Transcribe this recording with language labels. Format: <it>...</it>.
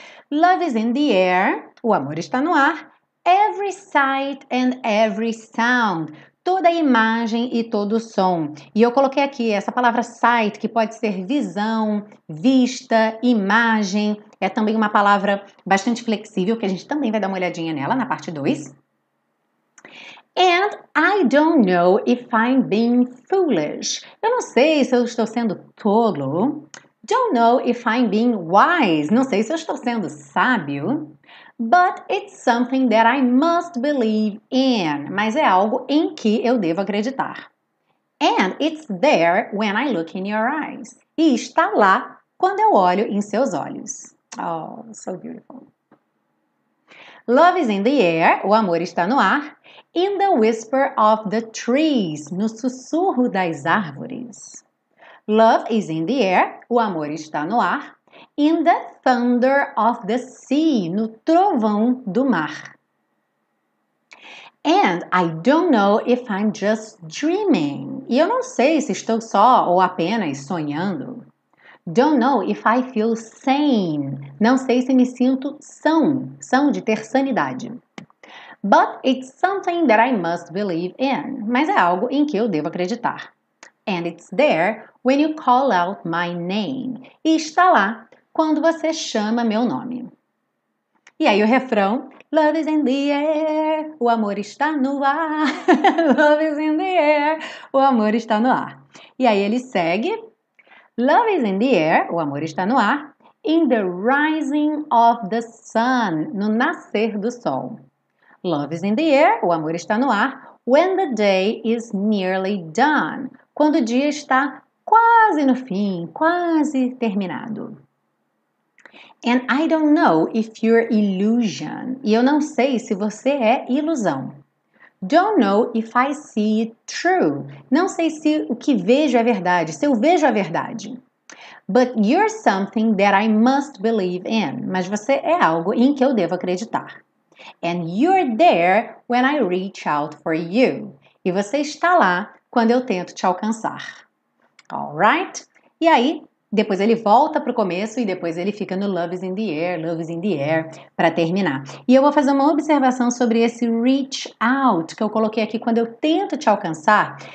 <en>Love is in the air,</en> <pt>o amor está no ar.</pt> <en>Every sight and every sound,</en> <pt>toda imagem e todo som. E eu coloquei aqui essa palavra sight, que pode ser visão, vista, imagem. É também uma palavra bastante flexível, que a gente também vai dar uma olhadinha nela na parte 2.</pt> <en>And I don't know if I'm being foolish.</en> <pt>Eu não sei se eu estou sendo tolo.</pt> <en>Don't know if I'm being wise.</en> <pt>Não sei se eu estou sendo sábio.</pt> <en>But it's something that I must believe in.</en> <pt>Mas é algo em que eu devo acreditar.</pt> <en>And it's there when I look in your eyes.</en> <pt>E está lá quando eu olho em seus olhos.</pt> <en>Oh, so beautiful. Love is in the air.</en> <pt>O amor está no ar.</pt> <en>In the whisper of the trees.</en> <pt>No sussurro das árvores.</pt> <en>Love is in the air.</en> <pt>O amor está no ar.</pt> <en>In the thunder of the sea,</en> <pt>no trovão do mar.</pt> <en>And I don't know if I'm just dreaming.</en> <pt>E eu não sei se estou só ou apenas sonhando.</pt> <en>Don't know if I feel sane.</en> <pt>Não sei se me sinto são de ter sanidade.</pt> <en>But it's something that I must believe in.</en> <pt>Mas é algo em que eu devo acreditar.</pt> <en>And it's there when you call out my name.</en> <pt>E está lá quando você chama meu nome. E aí o refrão.</pt> <en>Love is in the air.</en> <pt>O amor está no ar.</pt> <en>Love is in the air.</en> <pt>O amor está no ar. E aí ele segue.</pt> <en>Love is in the air.</en> <pt>O amor está no ar.</pt> <en>In the rising of the sun.</en> <pt>No nascer do sol.</pt> <en>Love is in the air.</en> <pt>O amor está no ar.</pt> <en>When the day is nearly done.</en> <pt>Quando o dia está quase no fim. Quase terminado.</pt> <en>And I don't know if you're illusion.</en> <pt>E eu não sei se você é ilusão.</pt> <en>Don't know if I see it true.</en> <pt>Não sei se o que vejo é verdade, se eu vejo a verdade.</pt> <en>But you're something that I must believe in.</en> <pt>Mas você é algo em que eu devo acreditar.</pt> <en>And you're there when I reach out for you.</en> <pt>E você está lá quando eu tento te alcançar.</pt> <en>All right?</en> <pt>E aí? Depois ele volta para o começo e depois ele fica no</pt> <en>love is in the air,</en> <pt>para terminar. E eu vou fazer uma observação sobre esse reach out, que eu coloquei aqui quando eu tento te alcançar.</pt>